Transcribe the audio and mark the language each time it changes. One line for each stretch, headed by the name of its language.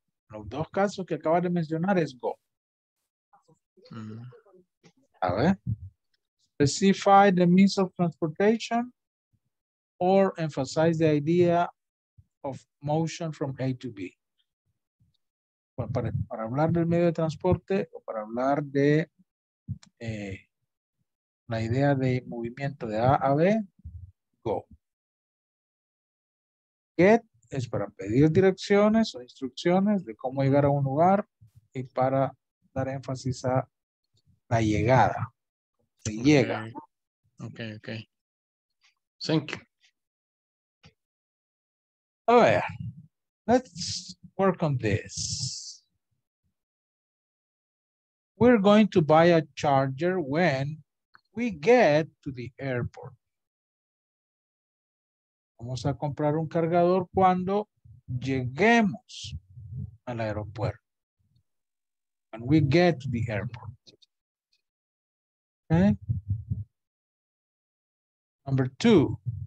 Spanish: Los dos casos que acabas de mencionar es go. A ver.
English: Specify the means of transportation or emphasize the idea of motion from A to B.
Spanish: Para hablar del medio de transporte o para hablar de la idea de movimiento de A a B, go. Get es para pedir direcciones o instrucciones de cómo llegar a un lugar y para dar énfasis a la llegada. Se llega.
English: Okay, okay. Thank you. All right, let's work on this. We're going to buy a charger when we get to the airport.
Spanish: Vamos a comprar un cargador cuando lleguemos al aeropuerto.
English: When we get to the airport. Okay. Number two.